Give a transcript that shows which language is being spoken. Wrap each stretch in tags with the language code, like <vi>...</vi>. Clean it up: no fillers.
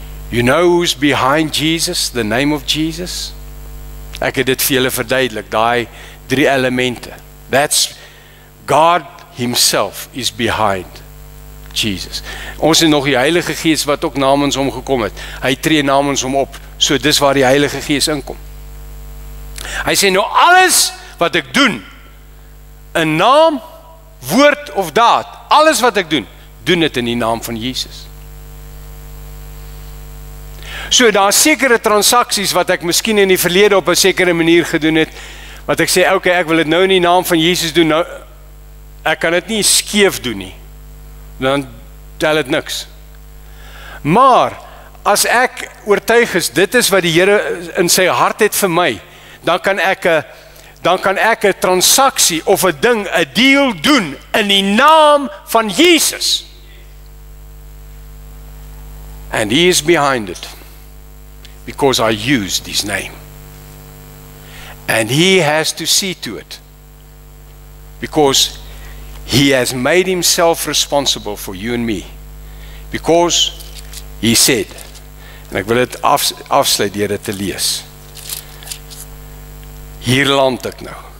<en>You know who's behind Jesus, the name of Jesus?</en> <af>Ek het dit vir julle verduidelik, daai drie elemente.</af> <en>That's God himself is behind Jesus.</en> <af>Ons is nog die Heilige Gees wat ook namens hom gekom het. Hy tree namens hom op, so dis waar die Heilige Gees inkom. Hy sê, nou alles wat ek doen, in naam, woord of daad, alles wat ek doen, doen het in die naam van Jesus. So daar is sekere transaksies wat ek miskien in die verlede op 'n sekere manier gedoen het, wat ek sê, okay, ek wil het nou in die naam van Jesus doen, nou, ek kan het nie skeef doen nie, dan tel het niks. Maar, as ek oortuig is, dit is wat die Here in sy hart het vir my, dan kan ek 'n transaksie of 'n ding, 'n deal doen in die naam van Jesus.</af> <en>And he is behind it because I used his name. And he has to see to it because he has made himself responsible for you and me. Because he said,</en> <af>en ek wil dit afsluit deur dit te lees, hier land ek nou.</af>